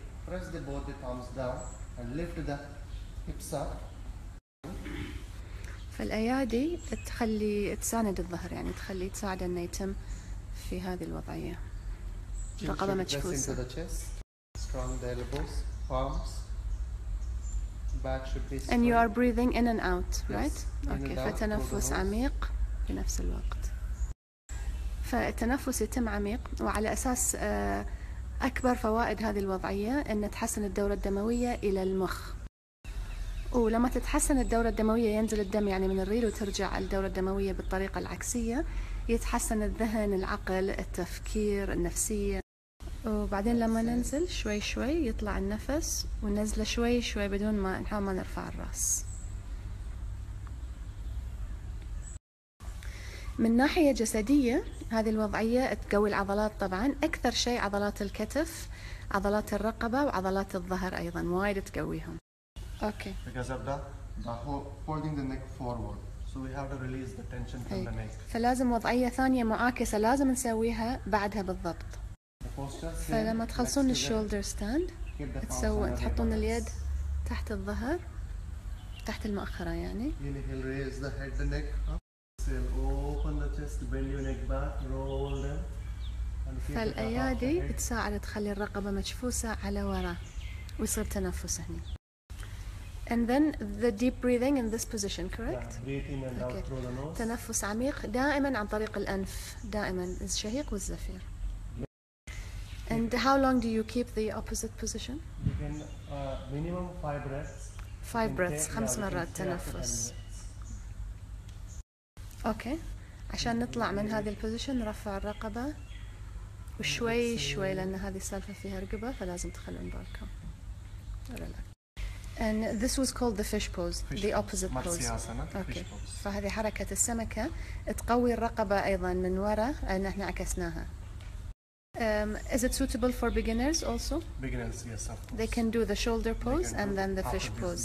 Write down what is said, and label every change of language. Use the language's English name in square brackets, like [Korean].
[English] Press the both the thumbs down and lift the hips up. [Arabic] فالأيادي تخلي تساند الظهر، يعني تخلي تساعد أن يتم في هذه الوضعية. رقبة مكفوسة. [English] Press into the chest. Strong the elbows, palms. Back should be strong. And you are breathing in and out, right? Yes. [Arabic] Okay. فتنفس عميق بنفس الوقت. فالتنفس يتم عميق، وعلى أساس أكبر فوائد هذه الوضعية أن تحسن الدورة الدموية إلى المخ، ولما تتحسن الدورة الدموية ينزل الدم يعني من الريل وترجع الدورة الدموية بالطريقة العكسية، يتحسن الذهن، العقل، التفكير، النفسية. وبعدين لما ننزل شوي شوي يطلع النفس، ونزل شوي شوي بدون ما نحاول ما نرفع الرأس. من ناحية جسدية هذه الوضعية تقوي العضلات، طبعا أكثر شيء عضلات الكتف، عضلات الرقبة وعضلات الظهر أيضا وايد تقويهم. أوكي. [English] Because of the holding the neck forward, so we have to release the tension from the neck. [Arabic] فلازم وضعية ثانية معاكسة لازم نسويها بعدها بالضبط. فلما تخلصون الشولدر ستاند تحطون اليد تحت الظهر تحت المؤخرة يعني. [English] Inhale, raise the head, the neck. Open the chest, bend your neck back, roll them. [Arabic] فالأيادي تساعد تخلي الرقبة مكفوسة على وراء ويصير تنفس هني. [English] And then the deep breathing in this position, correct? Yeah, breathe in and out through the nose. [Arabic] تنفس عميق دائما عن طريق الأنف، دائما الشهيق والزفير. [English] And how long do you keep the opposite position? You can minimum 5 breaths. 5 breaths, 5 [Arabic] مرات تنفس. اوكي، عشان نطلع من هذه البوزيشن نرفع الرقبه وشوي شوي، لان هذه السالفه فيها رقبه فلازم تخلون بالكم. [English] And this was called the fish pose, the opposite pose. [Arabic] اوكي، فهذه حركه السمكه تقوي الرقبه ايضا من ورا، لان احنا عكسناها. [English] Is it suitable for beginners also? Beginners, yes, of course. They can do the shoulder pose and then the fish pose.